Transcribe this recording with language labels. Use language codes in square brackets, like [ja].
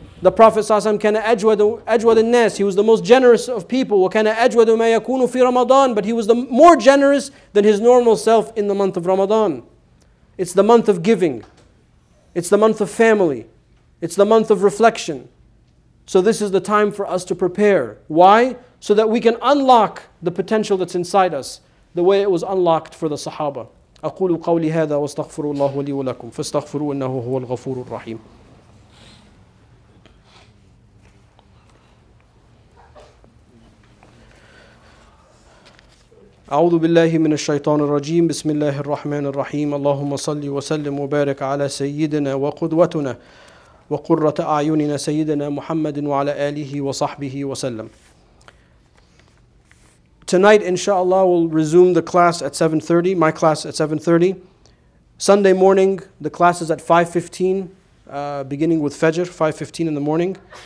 [en] The Prophet ﷺ, [ar] كان أجود الناس. [en] He was the most generous of people. [ar] وكان أجود ما يكون في رمضان. [en] But he was more generous than his normal self in the month of Ramadan. It's the month of giving. It's the month of family. It's the month of reflection. So this is the time for us to prepare. Why? So that we can unlock the potential that's inside us, the way it was unlocked for the Sahaba. [ar] أقول قولي هذا واستغفر الله لي ولكم فاستغفروا إنه هو الغفور الرحيم. أعوذ بالله من الشيطان الرجيم بسم الله الرحمن الرحيم اللهم صل وسلم وبارك على سيدنا وقدوتنا وقرة أعيننا سيدنا محمد وعلى آله وصحبه وسلم. [en] Tonight, inshallah, we'll resume the class at 7:30, my class at 7:30. Sunday morning, the class is at 5:15, beginning with Fajr, 5:15 in the morning.